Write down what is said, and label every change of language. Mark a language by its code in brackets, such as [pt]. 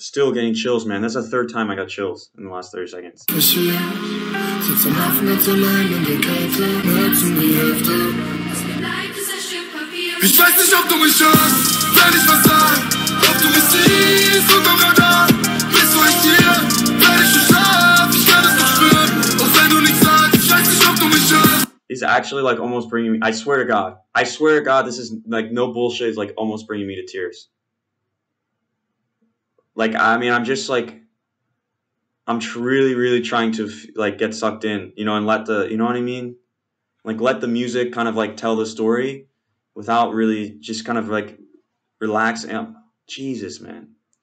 [en] Still getting chills, man. That's the third time I got chills in the last 30 seconds. [de] Ich weiß nicht, ob du mich hörst, wenn ich was sag. Ob du mich siehst unterm Radar. Bist du echt hier, wenn ich dich schlaf? Ich kann es nicht spüren, auch wenn du nichts sagst. Ich weiß nicht, ob du mich hörst. [en] He's actually like almost bringing me, I swear to God, this is like no bullshit, it's like almost bringing me to tears. Like, I mean, I'm just like, I'm really, really trying to like get sucked in, you know, and let the, you know what I mean? Like, let the music kind of like tell the story. Without really just kind of like relaxing. Jesus, man.